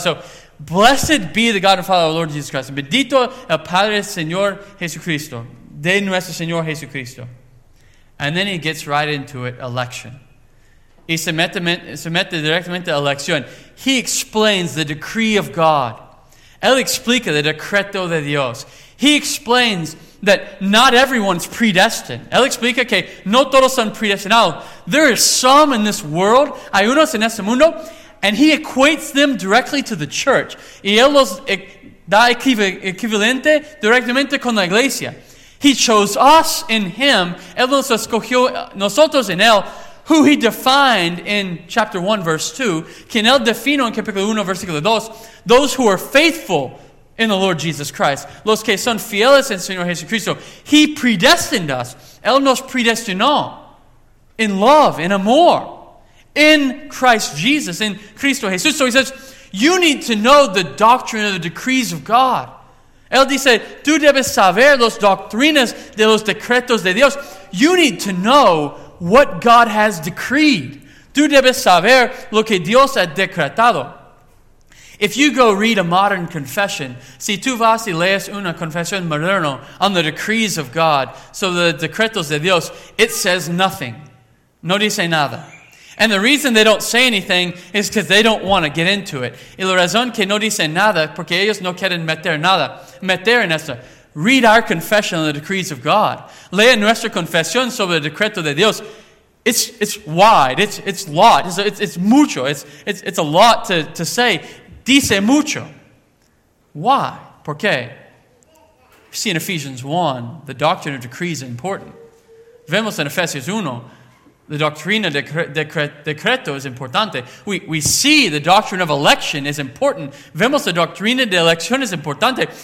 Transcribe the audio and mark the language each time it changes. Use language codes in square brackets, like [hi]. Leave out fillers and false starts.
[en] So, blessed be the God and Father of our Lord Jesus Christ. [es] Bendito el Padre Señor Jesucristo. De nuestro Señor Jesucristo. [en] And then he gets right into it, election. [es] Y se mete directamente a elección. [en] He explains the decree of God. [es] Él explica el decreto de Dios. [en] He explains that not everyone's predestined. [es] Él explica que no todos son predestinados. [en] There are some in this world, [es] hay unos en este mundo, [en] and he equates them directly to the church. [es] Y él los da equivalente directamente con la iglesia. [en] He chose us in him. [es] Él nos escogió nosotros en él, [en] who he defined in chapter 1, verse 2. [es] Quien él definió en capítulo 1, versículo 2, [en] those who are faithful in the Lord Jesus Christ. [es] Los que son fieles en Señor Jesucristo. [en] He predestined us. [es] Él nos predestinó. [en] In love, in amor. In Christ Jesus, in Cristo Jesús. So he says, you need to know the doctrine of the decrees of God. [es] Él dice, tú debes saber las doctrinas de los decretos de Dios. [en] You need to know what God has decreed. [es] Tú debes saber lo que Dios ha decretado. [en] If you go read a modern confession, [es] si tú vas y lees una confesión moderna [en] on the decrees of God, so the decretos de Dios, it says nothing. [es] No dice nada. [en] And the reason they don't say anything is because they don't want to get into it. [es] Y la razón que no dice nada, porque ellos no quieren meter nada. Meter en esto. [en] Read our confession on the decrees of God. [es] Lea nuestra confesión sobre el decreto de Dios. [en] It's wide. It's lot. It's mucho. It's a lot to say. [es] Dice mucho. [en] Why? Por qué? We see in Ephesians 1, the doctrine of decrees is important. [es] Vemos en Ephesians 1, the doctrina decreto is importante. [en] We see the doctrine of election is important. [es] Vemos la doctrina de elección es importante.